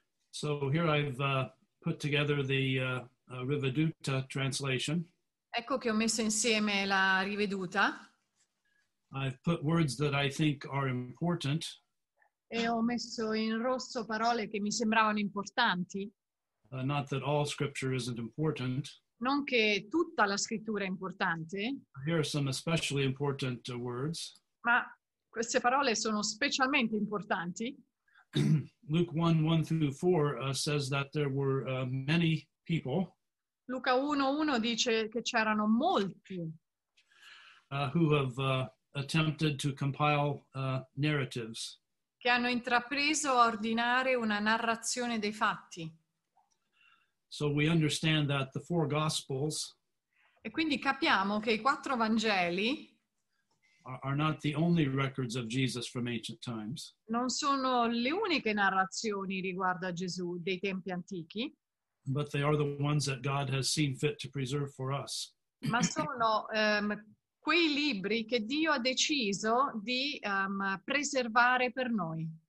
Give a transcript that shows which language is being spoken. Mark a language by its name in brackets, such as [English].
[English] So here I've put together the Riveduta translation. [Italian] Ecco che ho messo insieme la Riveduta. [English] I've put words that I think are important. [Italian] E ho messo in rosso parole che mi sembravano importanti. [English] Not that all scripture isn't important. [Italian] Non che tutta la scrittura è importante. [English] Here are some especially important words. [Italian] Ma queste parole sono specialmente importanti. [English] Luke 1, 1 through 4 says that there were many people. [Italian] Luca 1, 1 dice che c'erano molti. [English] Who have attempted to compile narratives. [Italian] Che hanno intrapreso a ordinare una narrazione dei fatti. [English] So we understand that the four gospels. [Italian] E quindi capiamo che i quattro Vangeli. [English] Are not the only records of Jesus from ancient times. [Italian] Non sono le uniche narrazioni riguardo a Gesù dei tempi antichi. [English] But they are the ones that God has seen fit to preserve for us. [Italian] Ma sono quei libri che Dio ha deciso di preservare per noi.